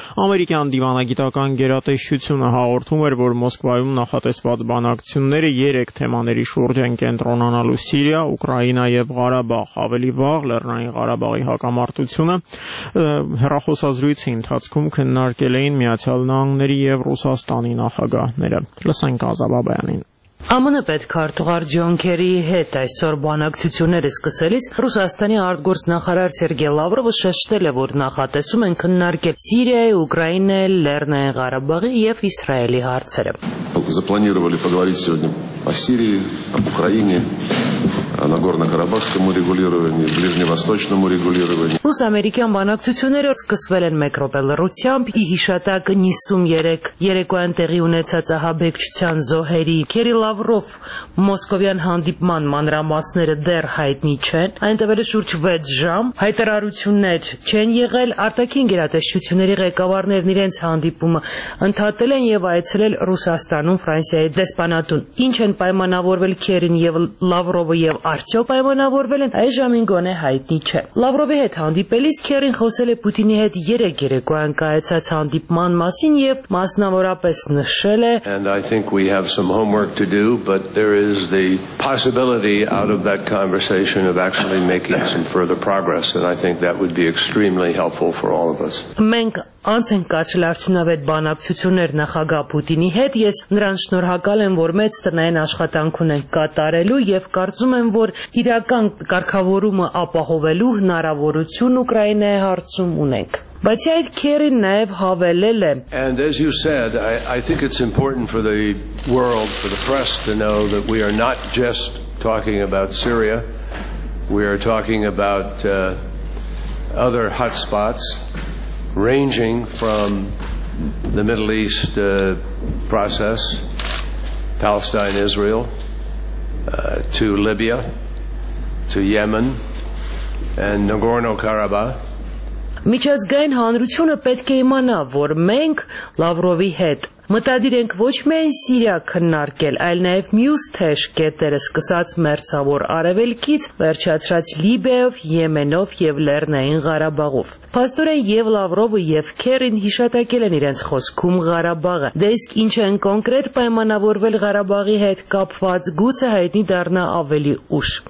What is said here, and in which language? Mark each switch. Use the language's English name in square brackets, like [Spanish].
[Armenian] ամերիկյան դիվանագիտական գերատեսչությունը հաղորդում էր, որ Մոսկվայում նախատեսված բանակցությունները երեք թեմաների շուրջ են կենտրոնանալու՝ Սիրիա, Ուկրաինա և Ղարաբաղ, ավելի վաղ Լեռնային Ղարաբաղի հակամարտությունը հեռախոսազրույցի ընթացքում քննարկել էին Միացյալ Նահանգների և Ռուսաստանի նախագահները։ Լսենք Ազա Բաբայանին։ ԱՄՆ պետքարտուղար Ջոն Քերիի հետ այսօր բանակցությունները սկսելիս Ռուսաստանի արտգործնախարար Սերգեյ Լավրովը շեշտել է, որ նախատեսում են քննարկել Սիրիայի, Ուկրաինայի, Լեռնային Ղարաբաղի և Իսրայելի հարցերը։ [Russian] Запланировали поговорить сегодня о Сирии, об Украине, о Нагорно-Карабахском урегулировании, Ближневосточном урегулировании. [Armenian] Ռուս-ամերիկյան բանակցությունները սկսվել են մեկ րոպե լռությամբ ի հիշատակ 53 երեկոյան տեղի ունեցած ահաբեկչության զոհերի։ Քերի Լավրով մոսկովյան հանդիպման մանրամասները դեռ հայտնի չեն, այն տևել է շուրջ 6 ժամ, հայտարարություններ չեն եղել, արտաքին գերատեսչությունների ղեկավարներն իրենց հանդիպումը ընդհատել են և այցելել Ռուսաստան նո Ֆրանսիայի դեսպանատուն։ Ինչ են պայմանավորվել Քերին եւ Լավրովը եւ արդյոք պայմանավորվել են, այժմ ինգոն է հայտնի չէ։ Լավրովի հետ հանդիպելիս Քերին խոսել է Պուտինի հետ 3 երեկոյան կայացած հանդիպման մասին եւ մասնավորապես նշել է. [English] And I think we have some homework to do, but there is the possibility out of that conversation of actually making some further progress, and I think that would be extremely helpful for all of us. [Armenian] Մենք անց ենք կացել արդյունավետ բանակցություններ նախագահ Պուտինի հետ, ես նրան շնորհակալ եմ, որ մեծ տնային աշխատանք ունենք կատարելու և կարծում եմ, որ իրական կարգավորումը ապահովելու հնարավորություն Ուկրաինայի հարցում ունենք։ Բացի այդ Քերին նաև հավելել է. [English] And as you said, I think it's important for the world, for the press to know that we are not just talking about Syria. We are talking about other hot spots ranging from the Middle East process, Palestine, Israel, to Libya, to Yemen, and Nagorno-Karabakh. [Armenian] Միջազգային հանրությունը պետք է իմանա, որ մենք Լավրովի հետ մտադիր ենք ոչ միայն Սիրիա քննարկել, այլ նաև մյուս թեժ կետերը սկսած մերձավոր արևելքից, վերջացրած Լիբիայով, Եմենով և Լեռնային Ղարաբաղով։ Փաստորեն և Լավրովը և Քերին հիշատակել են իրենց խոսքում Ղարաբաղը, դե իսկ ինչ են կոնկրետ պայմանավորվել Ղարաբաղի հետ կապված, գուցե հայտնի դառնա ավելի ուշ։